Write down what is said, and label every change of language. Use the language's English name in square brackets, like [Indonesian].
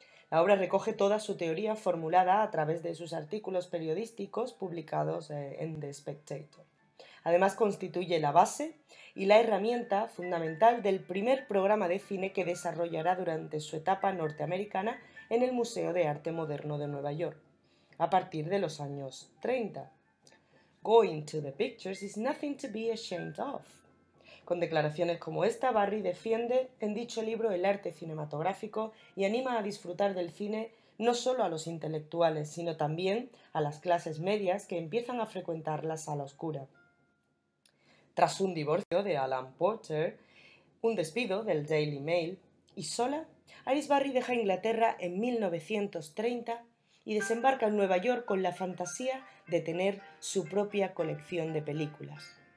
[Spanish] La obra recoge toda su teoría formulada a través de sus artículos periodísticos publicados en The Spectator. Además, constituye la base y la herramienta fundamental del primer programa de cine que desarrollará durante su etapa norteamericana en el Museo de Arte Moderno de Nueva York, a partir de los años 30. [English] Going to the pictures is nothing to be ashamed of. [Spanish] Con declaraciones como esta, Barry defiende en dicho libro el arte cinematográfico y anima a disfrutar del cine no solo a los intelectuales, sino también a las clases medias que empiezan a frecuentar la sala oscura. Tras un divorcio de Alan Porter, un despido del Daily Mail y sola, Alice Barry deja Inglaterra en 1930 y desembarca en Nueva York con la fantasía de tener su propia colección de películas.